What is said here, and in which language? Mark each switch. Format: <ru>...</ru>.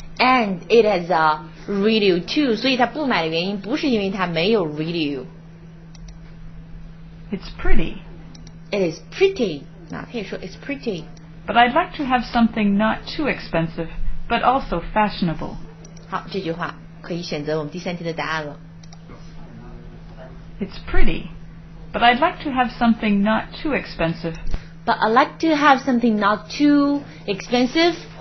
<en>And it has a radio, too.</en> <zh>所以他不买的原因不是因为他没有 radio.</zh> <en>It's pretty. It is pretty.</en> <zh>那可以说</zh> <en>it's pretty. But I'd like to have something not too expensive, but also fashionable.</en> <zh>好，这句话可以选择我们第三题的答案了。</zh> <en>It's pretty. But I'd like to have something not too expensive. But I'd like to have something not too expensive.</en>